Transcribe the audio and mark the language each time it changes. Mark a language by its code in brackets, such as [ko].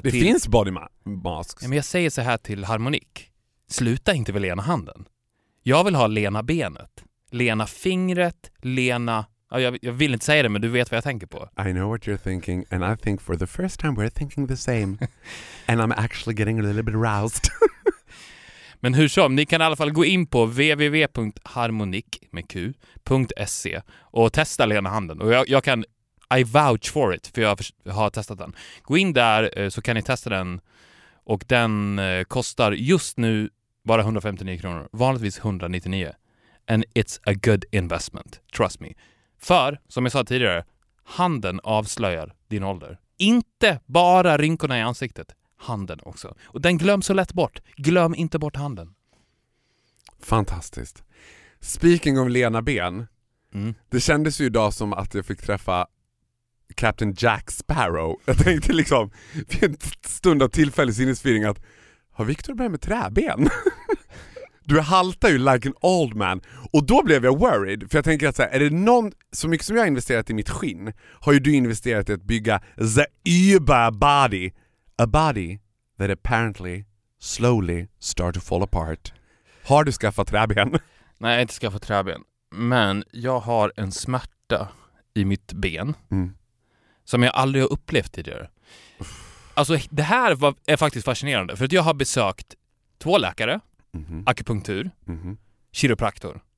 [sv] till... Det finns body masks. Men jag säger så här till Harmonik. Sluta inte med Lena Handen. Jag vill ha Lena benet. Lena fingret, Lena... Jag vill inte säga det, men du vet vad jag tänker på. [en] I know what you're thinking, and I think for the first time we're thinking the same. And I'm actually getting a little bit aroused. [sv] Men hur som, ni kan i alla fall gå in på www.harmonik.se och testa Lena Handen. Och jag kan... [en] I vouch for it, [sv] för jag har testat den. Gå in där så kan ni testa den. Och den kostar just nu bara 159 kronor. Vanligtvis 199. [en] And it's a good investment, trust me. [sv] För, som jag sa tidigare, handen avslöjar din ålder. Inte bara rynkorna i ansiktet, handen också. Och den glöms så lätt bort. Glöm inte bort handen. Fantastiskt. [en] Speaking of [sv] Lena Ben, det kändes ju idag som att jag fick träffa Captain Jack Sparrow. Jag tänkte liksom, vid en stund av tillfällig sinnesförvirring att, har Victor börjat med träben? Du haltar ju [en] like an old man. [sv] Och då blev jag [en] worried. [sv] För jag tänker att så här, är det någon, så mycket som jag har investerat i mitt skinn, har ju du investerat i att bygga [en] the uber body. A body that apparently slowly start to fall apart. [sv] Har du skaffat träben? Nej, jag inte skaffat träben. Men jag har en smärta i mitt ben. Mm. Som jag aldrig har upplevt tidigare. Alltså det här är faktiskt fascinerande. För att jag har besökt 2 läkare. Mm-hmm. Akupunktur. Mm-hmm. Kiropraktor.